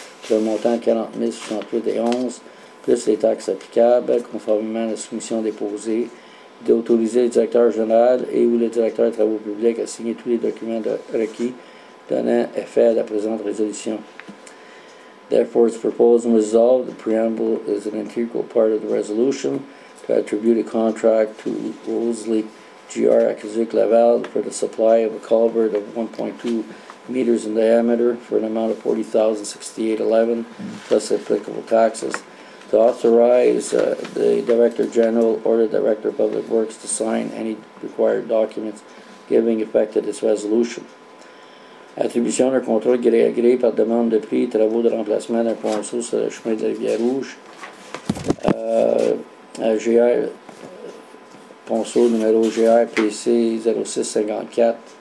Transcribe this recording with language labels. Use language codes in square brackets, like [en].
[fr] Le montant $40,068.11, plus les taxes applicables, conformément à la soumission déposée, d'autoriser le directeur général et ou le directeur des travaux publics à signer tous les documents requis, donnant effet à la présente résolution. [en] Therefore, it's proposed and resolved. The preamble is an integral part of the resolution to attribute a contract to Woolsey GR Aqueduc Laval for the supply of a culvert of 1.2 meters in diameter for an amount of $40,068.11 plus applicable taxes, to authorize the Director General or the Director of Public Works to sign any required documents giving effect to this resolution. [fr] Attribution d'un contrat gré à gré par demande de prix, travaux de remplacement d'un ponceau sur le chemin de la Rivière Rouge, GR, ponceau numéro GRPC 0654.